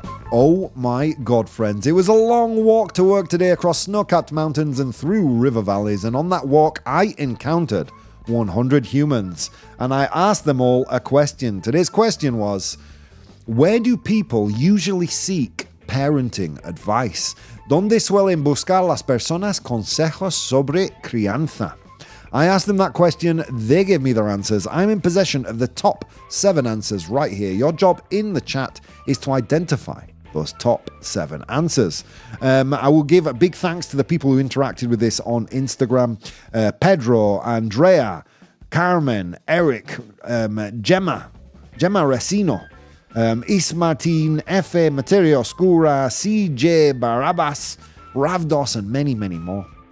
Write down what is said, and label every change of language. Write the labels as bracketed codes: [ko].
[en] Oh my God, friends. It was a long walk to work today across snow-capped mountains and through river valleys. And on that walk, I encountered 100 humans. And I asked them all a question. Today's question was, where do people usually seek parenting advice? [es] ¿Dónde suelen buscar las personas consejos sobre crianza? [en] I asked them that question. They gave me their answers. I'm in possession of the top 7 answers right here. Your job in the chat is to identify those top 7 answers. I will give a big thanks to the people who interacted with this on Instagram. Pedro, Andrea, Carmen, Eric, Gemma Resino, Ismartin, Efe, Materio Oscura, CJ, Barabas, Ravdos, and many, many more.